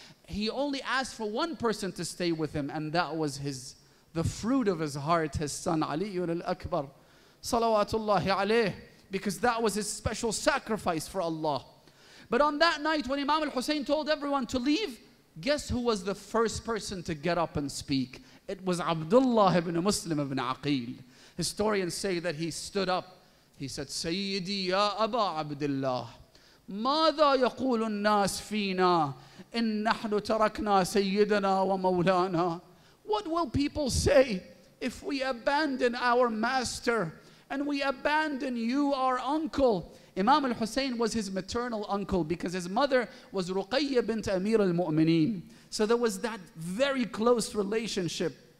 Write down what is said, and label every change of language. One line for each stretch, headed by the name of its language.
English: He only asked for one person to stay with him, and that was the fruit of his heart, his son Ali ibn al-Akbar, salawatullahi alayh, because that was his special sacrifice for Allah. But on that night when Imam al-Hussein told everyone to leave, guess who was the first person to get up and speak? It was Abdullah ibn Muslim ibn Aqil. Historians say that he stood up. He said,
Arabic: Sayyidi ya Aba Abdullah, ماذا يقول الناس فينا إن نحن تركنا سيدنا ومولانا.
English: What will people say if we abandon our master and we abandon you, our uncle? Imam al-Hussein was his maternal uncle because his mother was Ruqayya bint Amir al-Mu'mineen. So there was that very close relationship.